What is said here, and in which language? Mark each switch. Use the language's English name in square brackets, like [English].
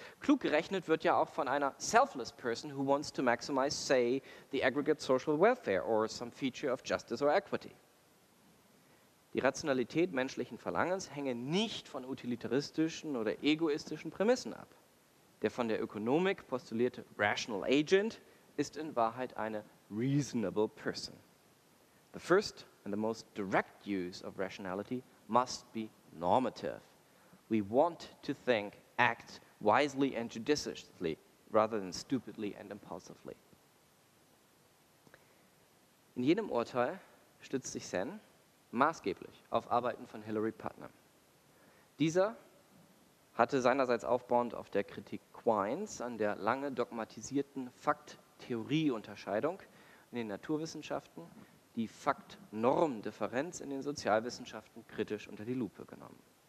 [German] Klug gerechnet wird ja auch von einer [English] selfless person who wants to maximize, say, the aggregate social welfare or some feature of justice or equity. [German] Die Rationalität menschlichen Verlangens hänge nicht von utilitaristischen oder egoistischen Prämissen ab. Der von der Ökonomik postulierte rational agent ist in Wahrheit eine [English] reasonable person. The first and the most direct use of rationality must be normative. We want to think, act wisely and judiciously, rather than stupidly and impulsively. [German] In jenem Urteil stützt sich Sen maßgeblich auf Arbeiten von Hilary Putnam. Dieser hatte seinerseits aufbauend auf der Kritik Quines an der lange dogmatisierten Fakt-Theorie-Unterscheidung in den Naturwissenschaften die Fakt-Norm-Differenz in den Sozialwissenschaften kritisch unter die Lupe genommen.